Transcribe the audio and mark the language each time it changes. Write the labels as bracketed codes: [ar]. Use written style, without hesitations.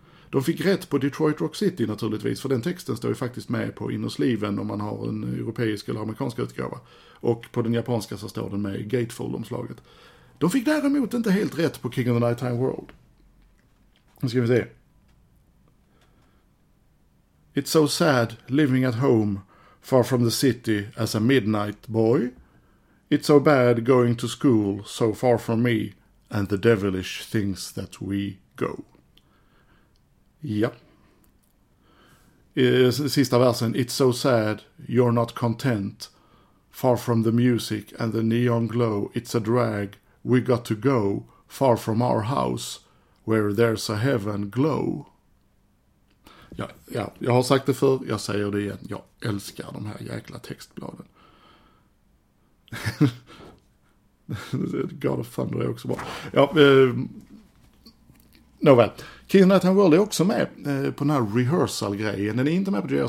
[sv] De fick rätt på Detroit Rock City naturligtvis. För den texten står ju faktiskt med på innersliven. Om man har en europeisk eller amerikansk utgåva. Och på den japanska så står den med Gatefold-omslaget. De fick däremot inte helt rätt på King of the Nighttime World. Nu ska vi se. [en] It's so sad living at home far from the city as a midnight boy. It's so bad going to school so far from me and the devilish things that we go. Ja. Sista versen. It's so sad you're not content. Far from the music and the neon glow. It's a drag. We got to go far from our house where there's a heaven glow. [sv] Ja, jag har sagt det förr. Jag säger det igen. Jag älskar de här jäkla textbladen. God of Thunder är också bra. Ja, nåväl. King of the Nighttime World är också med på den här rehearsal-grejen. Den är inte med på J.R.